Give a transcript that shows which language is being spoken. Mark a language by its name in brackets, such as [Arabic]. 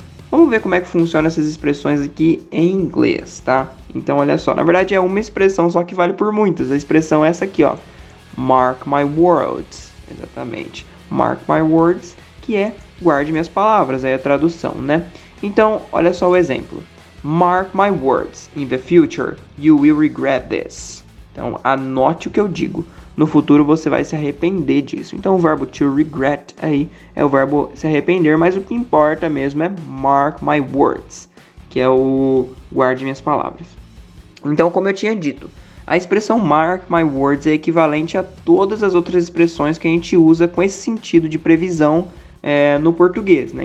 [Portuguese] Vamos ver como é que funcionam essas expressões aqui em inglês, tá? Então olha só, na verdade é uma expressão só que vale por muitas, a expressão é essa aqui, ó. Mark my words, exatamente. Mark my words, que é guarde minhas palavras, aí a tradução, né? Então, olha só o exemplo. [English] Mark my words, in the future, you will regret this. [Portuguese] Então, anote o que eu digo. No futuro, você vai se arrepender disso. Então, o verbo to regret aí é o verbo se arrepender, mas o que importa mesmo é mark my words, que é o guarde minhas palavras. Então, como eu tinha dito, a expressão mark my words é equivalente a todas as outras expressões que a gente usa com esse sentido de previsão no português, né?